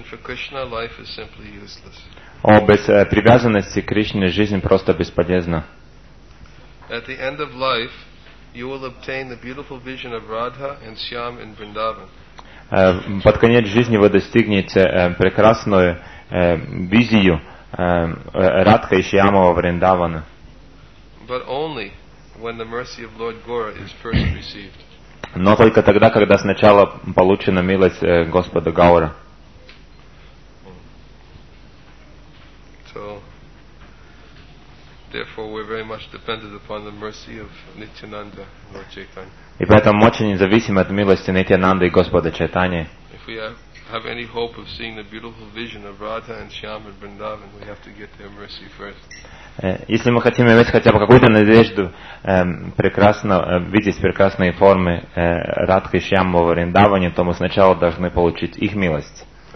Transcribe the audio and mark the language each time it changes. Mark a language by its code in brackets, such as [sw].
[ru] Без привязанности к Кришне жизнь просто бесполезна. [en] At the end of life, you will obtain the beautiful vision of Radha and Shyam in Vrindavan. [ru] Под конец жизни вы достигнете прекрасную визию Радха и Шьямова Вриндавана. [en] But only when the mercy of Lord Gaura is first received. [ru] Но только тогда, когда сначала получена милость Господа Гаура. [en] So, therefore, we're very much dependent upon the mercy of Nityananda, Lord Chaitanya. [ru] И поэтому мы очень зависим от милости Нитьянанды и Господа Чайтаньи. [en] If we have any hope of seeing the beautiful vision of Radha and Shyam and Vrindavan, we have to get their mercy first. [ru] Если мы хотим иметь хотя бы какую-то надежду прекрасно видеть прекрасные формы Радхи Шьямова Вриндаване, то мы сначала должны получить их милость.